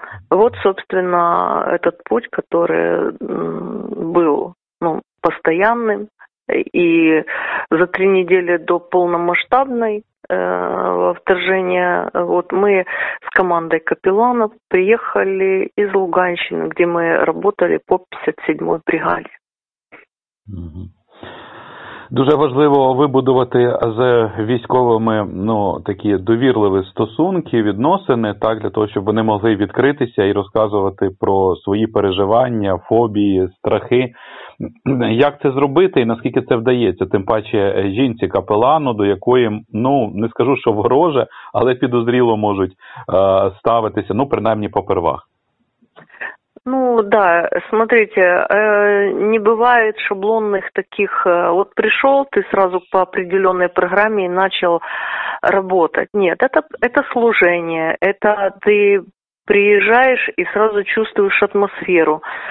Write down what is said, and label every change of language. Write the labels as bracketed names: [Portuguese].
[Russian] Вот, собственно, этот путь, который был, ну, постоянным, и за 3 недели до полномасштабной вторжения, вот мы с командой капелланов приехали из Луганщины, где мы работали по 57-й бригаде. [Ukrainian] Дуже важливо вибудувати з військовими, ну, такі довірливі стосунки, відносини, так, для того, щоб вони могли відкритися і розказувати про свої переживання, фобії, страхи. Як це зробити і наскільки це вдається? Тим паче жінці капелану, до якої, ну, не скажу, що вгороже, але підозріло можуть ставитися, ну, принаймні, попервах. [Russian] Ну да, смотрите, не бывает шаблонных таких, вот пришел ты сразу по определенной программе и начал работать. Нет, это служение, это ты приезжаешь и сразу чувствуешь атмосферу.